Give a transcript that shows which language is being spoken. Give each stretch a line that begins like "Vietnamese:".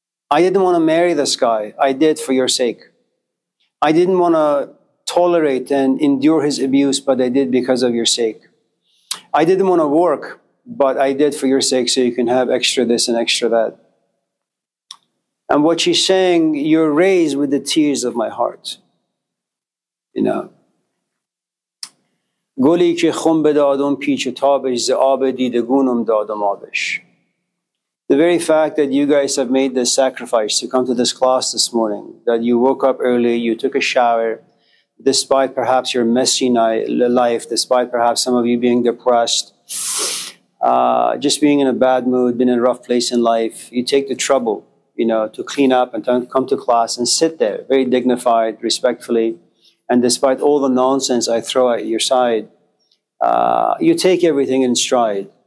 English: I didn't want to marry this guy. I did for your sake. I didn't want to tolerate and endure his abuse, but I did because of your sake. I didn't want to work, but I did for your sake so you can have extra this and extra that. And what she's saying, you're raised with the tears of my heart. You know.
Persian: گلی که خون به دادم پیچ و تابش زعاب دیدگونم دادم آبش.
English: The very fact that you guys have made the sacrifice to come to this class this morning, that you woke up early, you took a shower, despite perhaps your messy life, despite perhaps some of you being depressed, just being in a bad mood, been in a rough place in life, you take the trouble, you know, to clean up and come to class and sit there very dignified, respectfully, and despite all the nonsense I throw at your side, you take everything in stride.